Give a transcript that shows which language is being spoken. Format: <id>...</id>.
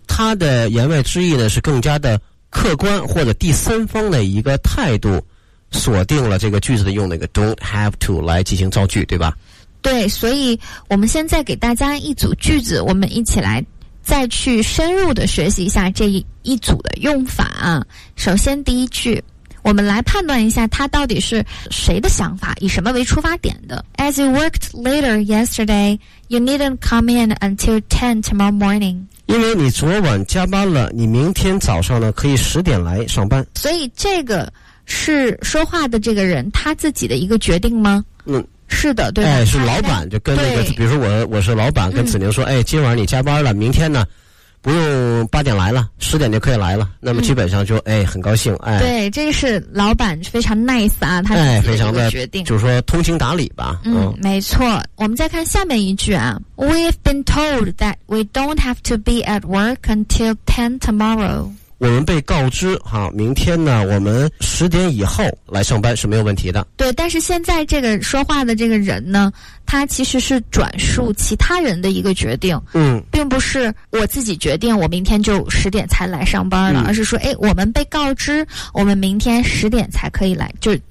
<zh>他的言外之意呢是更加的客观或者第三方的一个态度锁定了这个句子的用那个</zh> <en>don't have to</en> <zh>来进行造句，对吧？对，所以我们现在给大家一组句子，我们一起来再去深入的学习一下这一组的用法啊。首先第一句，我们来判断一下它到底是谁的想法，以什么为出发点的。</zh> <en>As you worked later yesterday, you needn't come in until 10 tomorrow morning.</en> <zh>因为你昨晚加班了，你明天早上呢可以十点来上班。所以这个是说话的这个人他自己的一个决定吗？是的，对吧。哎，是老板就跟那个，比如说我是老板跟子宁说，哎，今晚你加班了，明天呢不用八点来了，十点就可以来了。那么基本上就哎很高兴。哎，对，这是老板非常 nice 啊，他哎非常的决定，就是说通情达理吧。没错。我们再看下面一句啊。</zh> <en>We've been told that we don't have to be at work until 10 tomorrow.</en> <zh>我们被告知哈，明天呢我们十点以后来上班是没有问题的。对，但是现在这个说话的这个人呢，他其实是转述其他人的一个决定，并不是我自己决定我明天就十点才来上班了，而是说，哎，我们被告知我们明天十点才可以来，就</zh>